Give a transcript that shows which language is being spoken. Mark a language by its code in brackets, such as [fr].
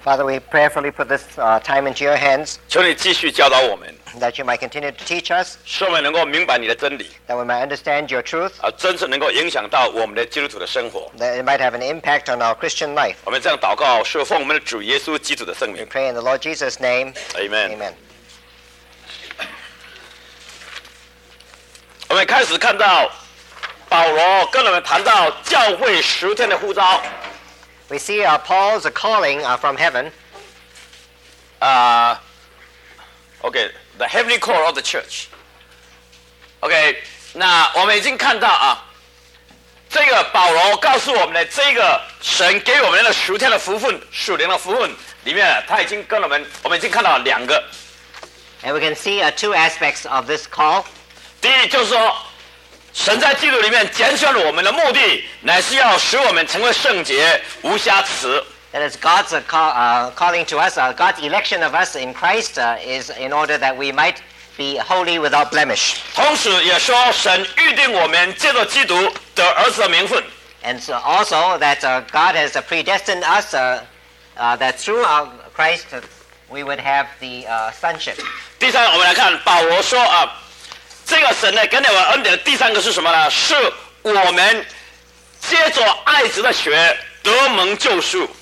[en] Father, we prayerfully put this time into your hands. [zh] 求你继续教导我们。 [en] That you might continue to teach us. [zh] 使我们能够明白你的真理。 [en] That we might understand your truth. [zh] 真正能够影响到我们的基督徒的生活。 [en] That it might have an impact on our Christian life. [zh] 我们这样祷告，是奉我们的主耶稣基督的圣名。 [en] We pray in the Lord Jesus' name. Amen. Amen. [zh] 我们开始看到保罗跟我们谈到教会十天的呼召。 [en] We see Paul's calling from heaven. Okay, the heavenly call of the church. [zh] Okay, 那我们已经看到啊，这个保罗告诉我们的这个神给我们的属天的福分、属灵的福分里面，他已经跟我们已经看到两个。 [en] And we can see two aspects of this call. [zh] 第一就是说。神在基督里面拣选了我们的目的，乃是要使我们成为圣洁、无瑕疵。 [en] That is God's calling to us. God's election of us in Christ is in order that we might be holy without blemish. [zh] 同时也说神预定我们借着基督得儿子的名分。 [en] And so also that God has predestined us that through our Christ we would have the sonship. [zh] 第三，我们来看保罗说啊。这个神呢，给我恩典的第三个是什么呢？是我们接着爱子的血得蒙救赎。